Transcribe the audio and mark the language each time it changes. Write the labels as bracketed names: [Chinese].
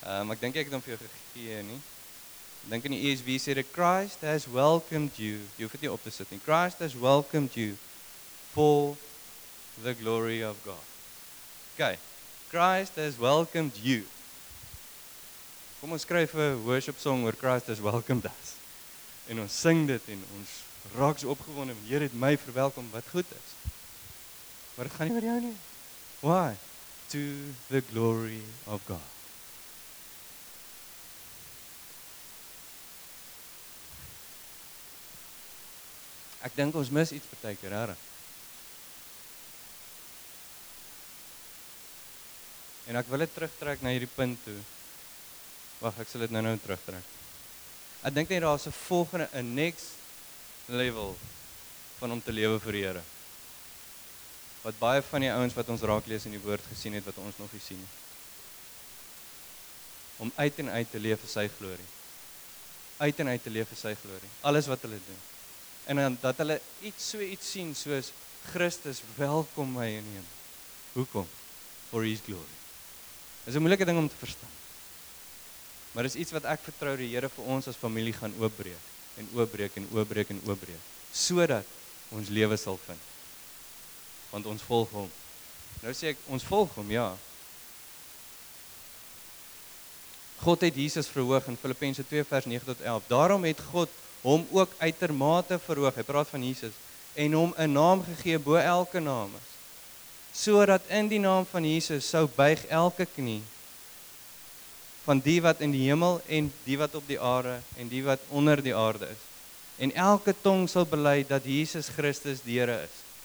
[Afrikaans] Ek denk ek het hom vir jou gegee nie. Dink in die ESV sê, [English] Christ has welcomed you. [Afrikaans] Jy hoef het nie op te sit nie. [English] Christ has welcomed you for the glory of God. Okay, Christ has welcomed you. [Afrikaans] Kom ons skryf 'n [English] worship song oor Christ has welcomed us. [Afrikaans] En ons sing dit en ons raak so opgewonde. Heer het my verwelkom wat goed is. Maar ek gaan nie oor jou nie. [English] Why? To the glory of God. [Afrikaans] Ek dink ons mis iets partykeer, hè. En ek wil dit terugtrek na hierdie punt toe. Wag, ek sal dit nou terugtrek. Ek dink net daar's 'n volgende, 'n [English] next level [Afrikaans] van om te lewe vir die Here. Wat baie van die ouens wat ons raak lees in die woord gesien het, wat ons nog nie sien nie. Om uit en uit te leef vir sy glorie. Uit en uit te leef vir sy glorie. Alles wat hulle doen. En dan dat hulle iets so iets sien soos Christus welkom my in hom. Hoekom? [English] For his glory. [Afrikaans] Dit is 'n moeilike ding om te verstaan. Maar dit is iets wat ek vertrou die Here vir ons as familie gaan oopbreek. En oopbreek en oopbreek en oopbreek. Sodat ons lewe sal vind. Want ons volg hom. Nou sê ek, ons volg hom, ja. God het Jesus verhoog in Filippense 2 vers 9 tot 11. Daarom het God hom ook uitermate verhoog. Hy praat van Jesus. En hom 'n naam gegee bo elke naam is. Sodat in die naam van Jesus sou buig elke knie van die wat in die hemel en die wat op die aarde en die wat onder die aarde is. En elke tong sal bely dat Jesus Christus die Here is.